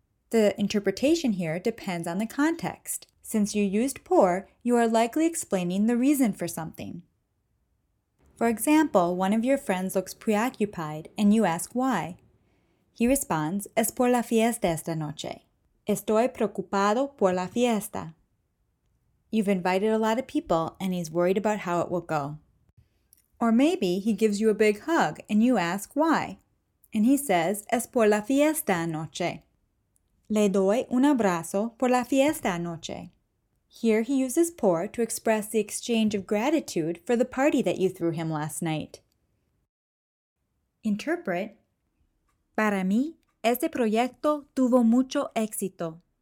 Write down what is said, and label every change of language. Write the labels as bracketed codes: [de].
[en] The interpretation here depends on the context. Since you used por, you are likely explaining the reason for something. For example, one of your friends looks preoccupied and you ask why. He responds, [es] es por la fiesta esta noche. Estoy preocupado por la fiesta. [en] You've invited a lot of people and he's worried about how it will go. Or maybe he gives you a big hug and you ask why. And he says, [es] es por la fiesta anoche. Le doy un abrazo por la fiesta anoche. [en] Here he uses por to express the exchange of gratitude for the party that you threw him last night. Interpret, [es] para mí, este proyecto tuvo mucho éxito.